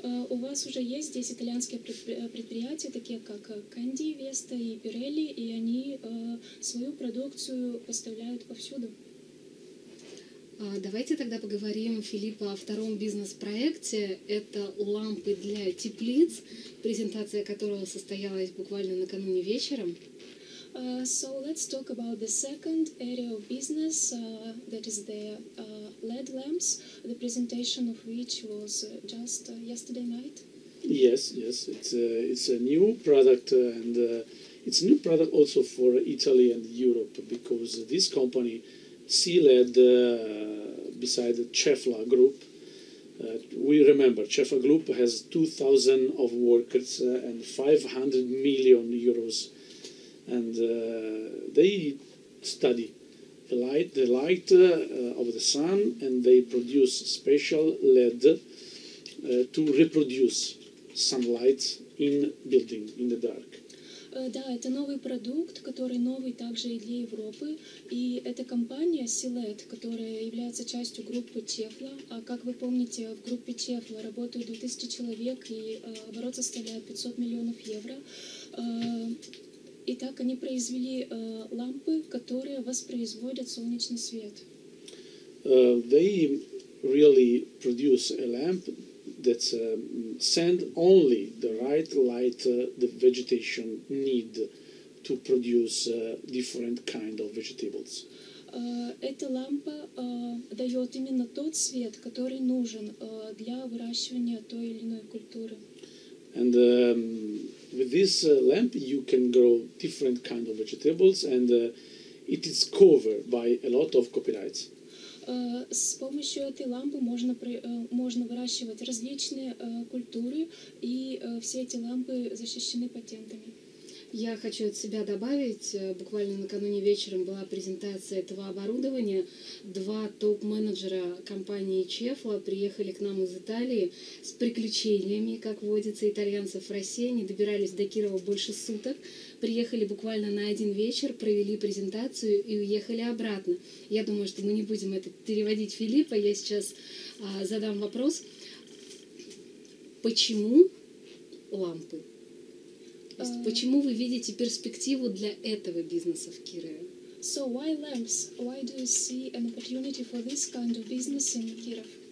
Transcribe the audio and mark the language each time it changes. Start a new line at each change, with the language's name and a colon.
Russian: У вас уже есть здесь итальянские предприятия, такие как Candy, Vesta и Pirelli, и они свою продукцию поставляют повсюду. Давайте тогда поговорим, Филипп, о втором бизнес-проекте. Это лампы для теплиц, презентация которого состоялась буквально накануне вечером.
English: So let's talk about the second area of business, that is the LED lamps, the presentation of which was just yesterday night. Yes, yes, it's a new product, and it's a new product also for Italy and Europe, because this company, C-LED, beside the Cefla Group, we remember Cefla Group has 2,000 of workers and 500 million euros. And they study the light of the sun, and they produce special LED to reproduce sunlight in building, in the dark.
Russian: Да, это новый продукт, который новый также и для Европы. И это компания Silet, которая является частью группы Tefla. А как вы помните, в группе Tefla работают 2000 человек, и оборот составляет 500 миллионов евро. Итак, они произвели лампы, которые воспроизводят солнечный свет.
English: They really produce a lamp that send only the right light the vegetation need to produce different kind of vegetables.
Russian: Эта лампа дает именно тот свет, который нужен для выращивания той или иной культуры.
English: And with this lamp you can grow different kind of vegetables and it is covered by a lot of copyrights.
Russian: С помощью этой лампы можно, можно выращивать различные культуры, и все эти лампы защищены патентами. Я хочу от себя добавить, буквально накануне вечером была презентация этого оборудования. Два топ-менеджера компании Tefla приехали к нам из Италии с приключениями, как водится, итальянцев в России. Они добирались до Кирова больше суток, приехали буквально на один вечер, провели презентацию и уехали обратно. Я думаю, что мы не будем это переводить Филиппа. Я сейчас задам вопрос. Почему лампы? Почему вы видите перспективу для этого бизнеса в Кирове?
English: So why lamps? Why do you see an opportunity for this kind of business in Kirov?